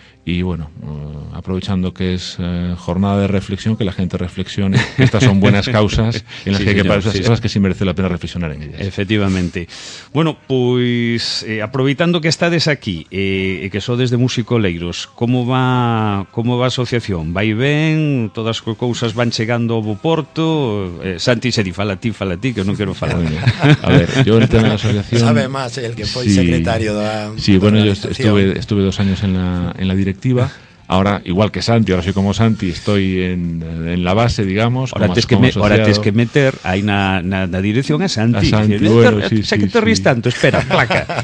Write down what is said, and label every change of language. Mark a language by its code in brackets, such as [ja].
[es] Y bueno, aprovechando que es jornada de reflexión, que la gente reflexione. Estas son buenas causas en las cosas que sí merece la pena reflexionar en ellas. Efectivamente. [gl] Bueno, pues aproveitando que estades aquí, que sodes desde Músico Leiros, ¿cómo va a asociación? ¿Vai ben? ¿Todas as cousas van chegando ao Porto? Santi, se di fala ti, que non quero falar. [es] A ver, yo en tema de asociación... [gl] Sabe más el que foi secretario da organización. [es] Sí, bueno, yo estuve 2 años en la directiva. Ahora, igual que Santi, ahora soy como Santi, estoy en la base, digamos. Ahora tienes que meter ahí [gl] na dirección [es] a Santi. A Santi, bueno, sí, sé que te ríes tanto, espera, placa.